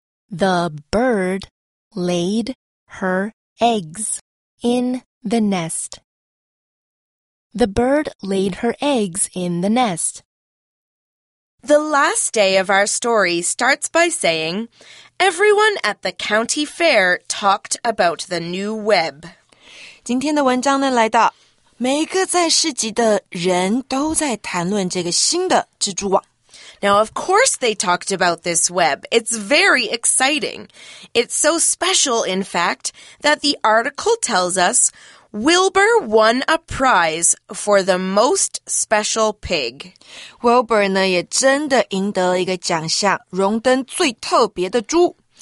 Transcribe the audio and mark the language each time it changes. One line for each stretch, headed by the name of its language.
English: The bird laid her eggs in the nest. The bird laid her eggs in the nest. The last day of our story starts by saying, everyone at the county fair talked about the new web.
Chinese: 今天的文章呢，来到每个在市集的人都在谈论这个新的蜘蛛网。
English: Now, of course they talked about this web. It's very exciting. It's so special, in fact, that the article tells us Wilbur won a prize for the most special pig.
Chinese: Wilbur 呢也真的赢得了一个奖项，荣登最特别的猪。